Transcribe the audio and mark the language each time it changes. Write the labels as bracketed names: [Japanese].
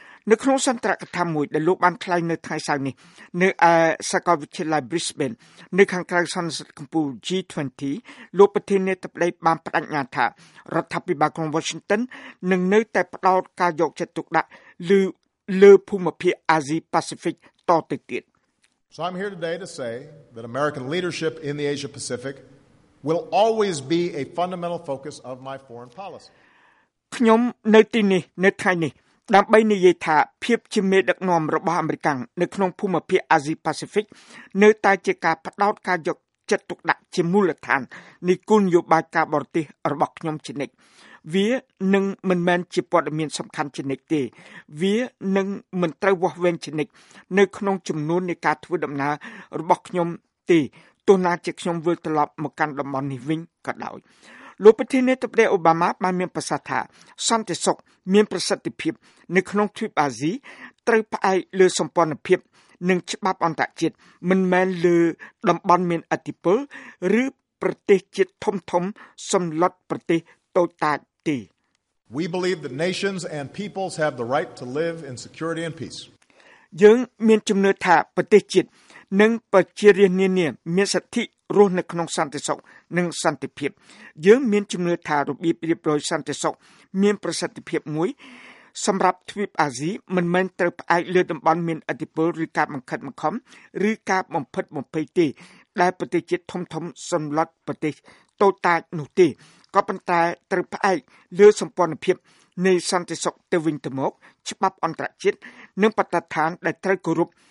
[Khmer] នៅក្នុងសន្ទរកថាមួយដែលលោកបានថ្លែងនៅថ្ងៃសៅរ៍នេះនៅសាកលវិទ្យាល័យ Brisbane នៅខាងក្រៅសន្និសីទកំពូល G20 លោកប្រធានាធិបតីបានបដិញ្ញាថារដ្ឋាភិបាលក្រុង Washington នឹងនៅតែផ្ដោតការយកចិត្តទុកដាក់លើភូមិភាគ Asia Pacific តទៅទៀត [English] So I'm here today to say that American leadership in the Asia Pacific will always be a fundamental focus of my foreign policy [Khmer] ខ្ញុំនៅទីនេះនៅថ្ងៃនេះដើម្បីនិយាយថាភាពជាមេដឹកនាំរបស់អាមេរិកាំងនៅក្នុងភូមិភាគអាស៊ីប៉ាស៊ីហ្វិកនៅតែជាការផ្ដោតការយកចិត្តទុកដាក់ជាមូលដ្ឋាននៃគោលនយោបាយការបរទេសរបស់ខ្ញុំជានិច្ចវានឹងមិនមែនជាព័ត៌មានសំខាន់ជានិច្ចទេវានឹងមិនត្រូវវាស់វែងជានិច្ចនៅក្នុងចំនួននៃការធ្វើដំណើររបស់ខ្ញុំទេទោះណាជាខ្ញុំវិលត្រឡប់មកកាន់តំបន់នេះវិញក៏ដោយ លោកប្រធានាធិបតីអូបាម៉ាបានមានប្រសាសន៍ថាសន្តិសុខមានប្រសិទ្ធភាពនៅក្នុងទ្វីបអាស៊ីត្រូវផ្អែកលើសម្ព័ន្ធភាពនិងច្បាប់អន្តរជាតិមិនមែនលើតំបន់មានអធិបតេយ្យឬប្រទេសជាតិធំៗសំឡុតប្រទេសតូចតាចទេ [English] We believe that nations and peoples have the right to live in security and peace [Khmer] យើងមានជំនឿថាប្រទេសជាតិនិងប្រជារាស្ត្រនានាមានសិទ្ធិរស់នៅក្នុងសន្តិសុខនិងសន្តិភាពយើងមានជំនឿថារបៀបរៀបរយសន្តិសុខមានប្រសិទ្ធភាពមួយ សម្រាប់ទ្វីបអាស៊ីមិនមែនត្រូវផ្អែកលើតំបន់មានឥទ្ធិពលឬការបង្ខិតបង្ខំឬការបំផិតបំភ័យទេដែលប្រទេសជាតិធំៗសំឡុតប្រទេសតូចតាចនោះទេក៏ប៉ុន្តែត្រូវផ្អែកលើសម្ព័ន្ធភាពនៃសន្តិសុខទៅវិញទៅមកច្បាប់អន្តរជាតិនិងបទដ្ឋានដែលត្រូវគោរព